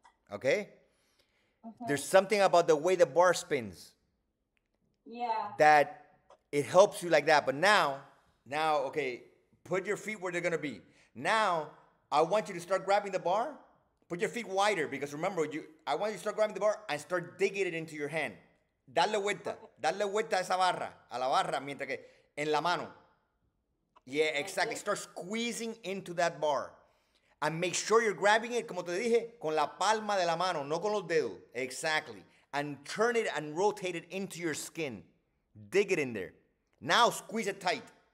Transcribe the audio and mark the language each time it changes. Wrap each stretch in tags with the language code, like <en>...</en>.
<en>Okay? There's something about the way the bar spins that it helps you like that. But now, okay, put your feet where they're gonna be. Now, I want you to start grabbing the bar. Put your feet wider because remember, I want you to start grabbing the bar and start digging it into your hand.</en> <es>Dale vuelta a esa barra, a la barra, mientras que. En la mano.</es> <en>Yeah, exactly. Start squeezing into that bar. And make sure you're grabbing it,</en> <es>como te dije, con la palma de la mano, no con los dedos.</es> <en>Exactly. And turn it and rotate it into your skin. Dig it in there. Now squeeze it tight.</en>